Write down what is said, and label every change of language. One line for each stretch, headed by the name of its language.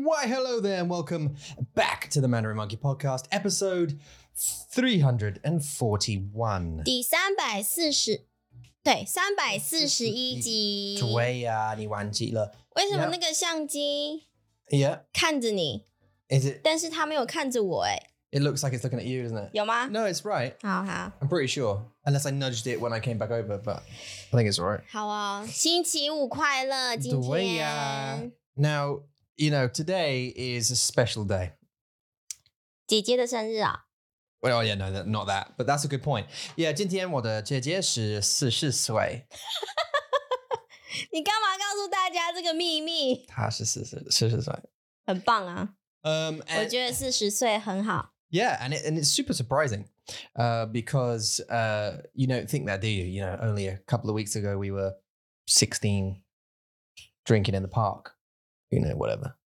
English: Why, hello there, and welcome back to the Mandarin Monkey podcast, episode 341.
Chinese: 第三百四十，对，三百四十一集。对呀，你忘记了。为什么那个相机
English: ？Yeah，
Chinese: 看着你。
English: Is it？
Chinese: 但是它没有看着我哎。
English: It looks like it's looking at you, doesn't it?
Chinese: 有吗？
English: No, it's right.
Chinese: 好好。
English: I'm pretty sure. Unless I nudged it when I came back over, but I think it's right.
Chinese: 好啊，星期五快乐，今天。对呀。
English: Now, you know, today is a special day.
Chinese: 姐姐的生日啊。
English: Well, yeah, no, not that, but that's a good point. Yeah,
Chinese: 今天我的姐姐是四十岁。你干嘛告诉大家这个秘密？她是四十岁。很棒啊。
English: And,
Chinese: 我觉得四十岁很好。
English: Yeah, and it's super surprising, because you don't think that, do you? You know, only a couple of weeks ago we were 16, drinking in the park, you know, whatever.